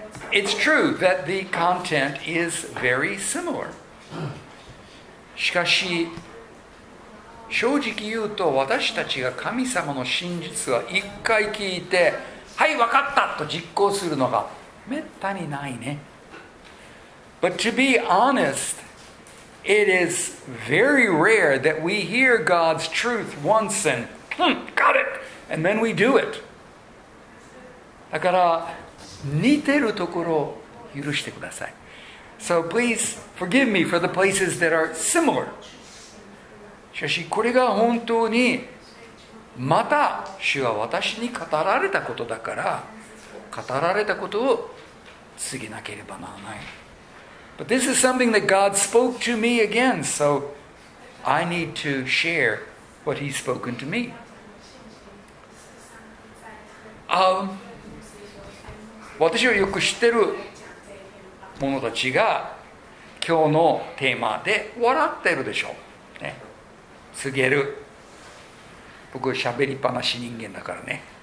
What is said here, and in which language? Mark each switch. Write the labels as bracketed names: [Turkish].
[English] It's true that the content is very similar. [Japanese] しかし正直言うと私たちが神様の真実は一回聞いてはい分かったと実行するのがめったにないね。 [English] But to be honest, it is very rare that we hear God's truth once and got it, and then we do it. [Japanese] だから似てるところを許してください。 [English] So please forgive me for the places that are similar. [Japanese] しかしこれが本当にまた主は私に語られたことだから語られたことを告げなければならない。 [English] But this is something that God spoke to me again, so I need to share what He's spoken to me. [Japanese] 私はよく知ってる者たちが今日のテーマで笑ってるでしょう。告げる。僕は喋りっぱなし人間だからね。